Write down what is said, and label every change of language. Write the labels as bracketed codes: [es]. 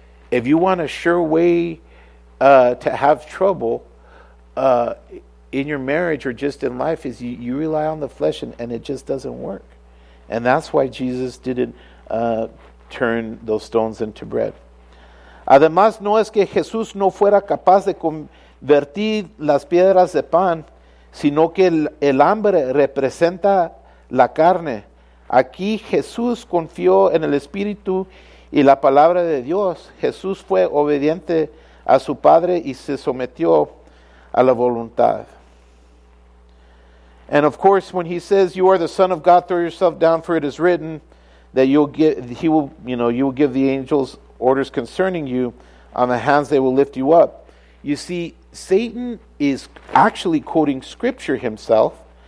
[en] If you want a sure way to have trouble in your marriage or just in life, is you rely on the flesh and it just doesn't work. And that's why Jesus didn't turn those stones into bread. [es] Además, no es que Jesús no fuera capaz de convertir las piedras de pan, sino que el hambre representa la carne. Aquí Jesús confió en el Espíritu y la palabra de Dios. Jesús fue obediente a su Padre y se sometió a la voluntad. [en] And of course, when he says, you are the Son of God, throw yourself down, for it is written that you will give the angels orders concerning you, on the hands they will lift you up. You see, Satan is actually quoting scripture himself.